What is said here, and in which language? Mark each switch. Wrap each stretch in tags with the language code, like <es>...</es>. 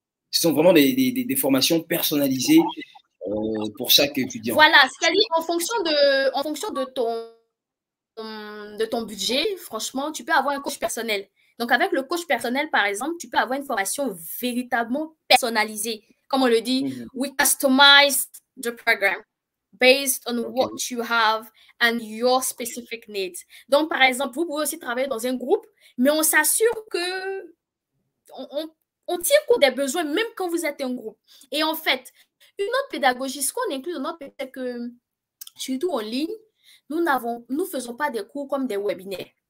<fr>Ce sont vraiment des formations personnalisées pour chaque étudiant. Voilà, c'est-à-dire en fonction de ton budget, franchement, tu peux avoir un coach personnel. Donc, avec le coach personnel, par exemple, tu peux avoir une formation véritablement personnalisée. Comme on le dit,</fr> <en>we customize the program based on what you have and your specific needs.</en> <fr>Donc, par exemple, vous pouvez aussi travailler dans un groupe, mais on s'assure que on tire compte des besoins, même quand vous êtes un groupe. Et en fait, une autre pédagogie, ce qu'on inclut dans notre pédagogie, c'est que, surtout en ligne, nous faisons pas des cours comme des webinaires.</fr>